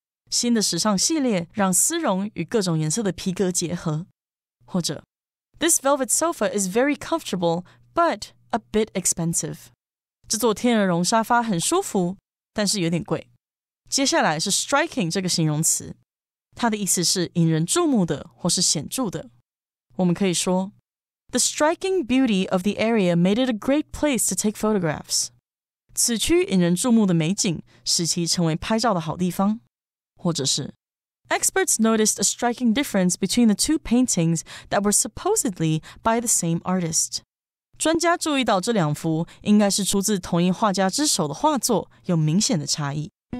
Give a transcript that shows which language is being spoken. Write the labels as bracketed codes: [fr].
[zh] 新的时尚系列让丝绒与各种颜色的皮革结合。或者 [en] This velvet sofa is very comfortable, but a bit expensive. [zh] 这座天鹅绒沙发很舒服,但是有点贵。接下来是 striking 这个形容词。它的意思是引人注目的或是显著的。我们可以说 [en] The striking beauty of the area made it a great place to take photographs. [zh] 此区引人注目的美景使其成为拍照的好地方。或者是 [en] Experts noticed a striking difference between the two paintings that were supposedly by the same artist. [zh] 专家注意到这两幅应该是出自同一画家之手的画作有明显的差异。